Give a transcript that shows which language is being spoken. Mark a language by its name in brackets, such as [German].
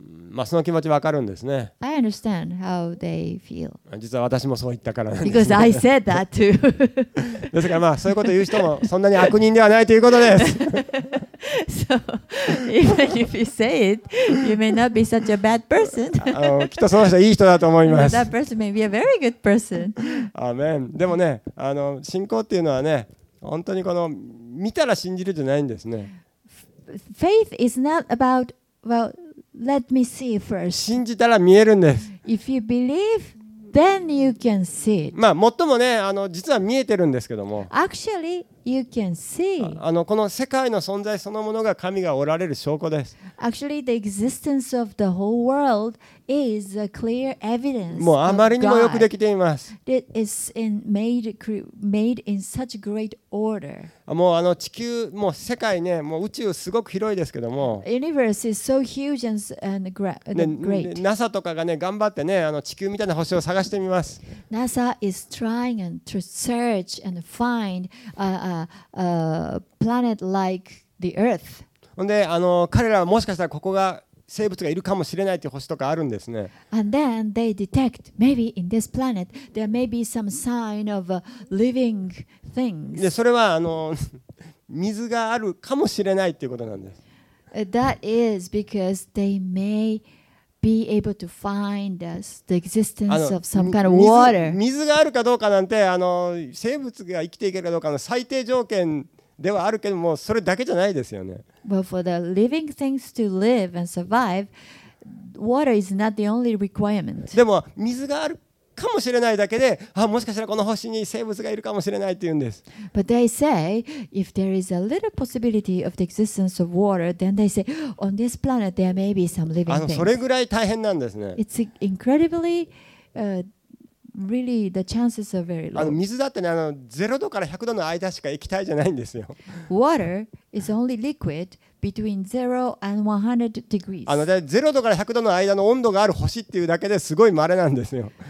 [Japanese] まあ、その気持ち分かるんですね。 [English] I understand how they feel. [Japanese] 実は私もそう言ったからなんです [English] 。 Because I said that too. [Japanese] ですからまあそういうこと言う人もそんなに悪人ではないということです。 [English] So, even if you say it, you may not be such a bad person. [Japanese] きっとその人はいい人だと思います。 [English] That person may be a very good person. Amen. [Japanese] でもね、信仰っていうのはね、本当にこの見たら信じるじゃないんですね。 [English] Faith is not about, well,Let me see first. [Japanese] 信じたら見えるんです。 [English] If you believe, then you can see it. [Japanese] まあ、最もね、実は見えてるんですけども。 [English] Actually, you can see. [Japanese] この世界の存在そのものが神がおられる証拠です。 [English] Actually, the existence of the whole world is a clear evidence. [Japanese] もうあまりにもよくできています。 [English] It is made in such great order. [Japanese] もう地球、もう世界ね、もう宇宙すごく広いですけども。 [English] Universe is so huge and great. [Japanese] NASA とかがね、頑張ってね、地球みたいな星を探してみます。 [English] NASA is trying to search and find a planet like the Earth. [Japanese] ほんで、彼らはもしかしたらここが生物がいるかもしれないという星とかあるんですね。 [English] And then they detect maybe in this planet there may be some sign of living things. [Japanese] で、それは水があるかもしれないということなんです。 [English] That is because they may be able to find the existence of some kind of water. [Japanese] 水があるかどうかなんて生物が生きていけるかどうかの最低条件。ではあるけどもそれだけじゃないですよね。 [English] Well, for the living things to live and survive, water is not the only requirement. [Japanese] でも水があるかもしれないだけで、もしかしたらこの星に生物がいるかもしれないって言うんです。 [English] But they say if there is a little possibility of the existence of water, then they say on this planet there may be some living things. [Japanese] それぐらい大変なんですね。 [English] It's incredibly, Really, the chances are very low. [Japanese] 水だってね、0度から100度の間しか液体じゃないんですよ。 [English] Water is only liquid between 0 and 100 degrees. [Japanese] あので0度から100度の間の温度がある星っていうだけですごい稀なんですよ。